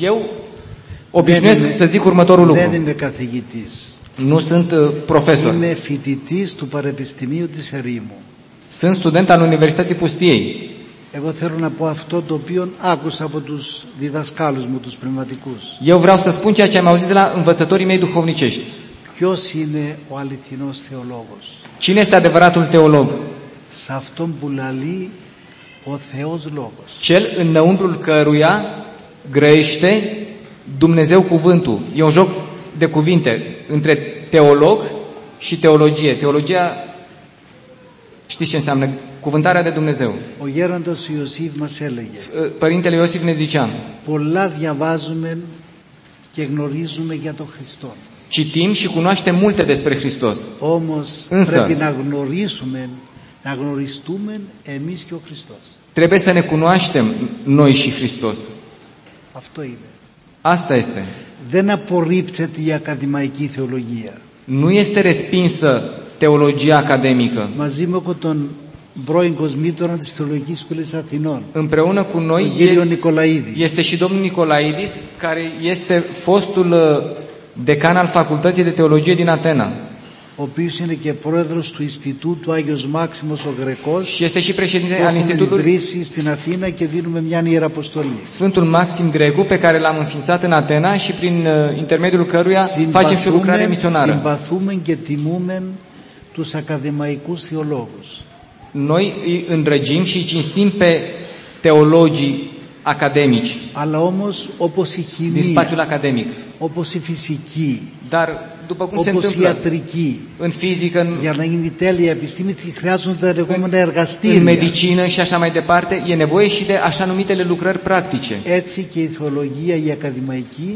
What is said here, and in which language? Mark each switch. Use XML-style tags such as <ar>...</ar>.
<ro>Eu obișnuiesc să zic următorul lucru.</ro> <el>Δεν είμαι καθηγητής.</el> <ro>Nu sunt profesor.</ro> <el>Είμαι φοιτητής του Πανεπιστημίου της Ερήμου.</el> <ro>Sunt student al Universității Pustiei.</ro> <el>Εγώ θέλω να πω αυτό το οποίο άκουσα από τους διδασκάλους μου, τους πνευματικούς.</el> <ro>Eu vreau să spun ceea ce am auzit de la învățătorii mei duhovnicești.</ro> <el>Ποιος είναι ο αληθινός θεολόγος?</el> <ro>Cine este adevăratul teolog?</ro> <el>Σε αυτόν που λαλεί ο Θεός λόγος.</el> <ro>Cel înăuntrul căruia grăiește Dumnezeu cuvântul. E un joc de cuvinte între teolog și teologie. Teologia, știți ce înseamnă? Cuvântarea de Dumnezeu.</ro> <el>O gerontos Iosif mas elege.</el> <ro>Părintele Iosif ne zicea.</ro> <el>Πολλά διαβάζουμε και γνωρίζουμε για τον Χριστό.</el> <ro>Citim și cunoaștem multe despre Hristos.</ro> <el>Όμως πρέπει να γνωρίσουμε, να γνωριστούμε εμείς και ο Χριστός.</el> <ro>Trebuie să ne cunoaștem noi și Hristos.</ro> <el>Αυτό είναι.</el> <ro>Asta este.</ro> <el>Δεν απορρίπτεται η ακαδημαϊκή θεολογία.</el> <ro>Nu este respinsă teologia academică.</ro> <el>Μαζί με τον πρώην κοσμήτωρα της Θεολογικής Σχολής Αθηνών.</el> <ro>Împreună cu noi este și domnul Nicolaidis, care este fostul decan al Facultății de Teologie din Atena.</ro> <el>Ο οποίος είναι και πρόεδρος του Ινστιτούτου Άγιος Μάξιμος ο Γρεκός.</el> <ro>Și este și președinte al Institutului.</ro> <el>Έχουμε ιδρύσει στην Αθήνα και δίνουμε μια ιεραποστολή.</el> <ro>Sfântul Maxim Grecu, pe care l-am înființat în Atena și prin intermediul căruia facem și o lucrare misionară.</ro> <el>Συμπαθούμε και τιμούμε τους ακαδημαϊκούς θεολόγους.</el> <ro>Noi îi îndrăgim și îi cinstim pe teologii academici.</ro> <el>Αλλά όμως όπως η χημία.</el> <ro>Din spațiul academic.</ro> <el>Όπως η φυσική.</el> <ro>Dar după cum</ro> <el>όπως</el> <ro>se întâmplă,</ro> <el>η ιατρική,</el> <ro>în fizică, în,</ro> <el>για να είναι η τέλεια επιστήμη χρειάζονται λεγόμενα εργαστήρια.</el> <ro>În medicină și așa mai departe, e nevoie și de așa numitele lucrări practice.</ro> <el>Έτσι και η θεολογία η ακαδημαϊκή.</el>